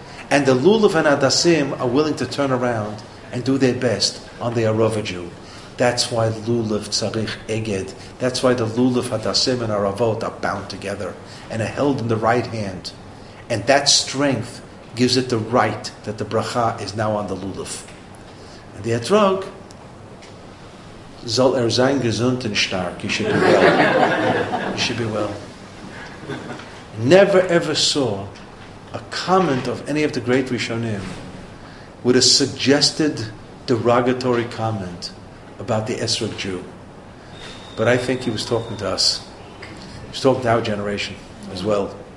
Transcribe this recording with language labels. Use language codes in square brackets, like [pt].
[en] And the lulav and hadasim are willing to turn around and do their best on the arava Jew. That's why lulav tzarich eged. That's why the lulav hadasim and aravot are bound together and are held in the right hand. And that strength gives it the right that the bracha is now on the lulav. And the [yi] etrog, soll sein gesund und stark. [en] You should be well. You should be well. Never ever saw a comment of any of the great Rishonim with a suggested derogatory comment about the Esrog Jew. But I think he was talking to us. He was talking to our generation as well.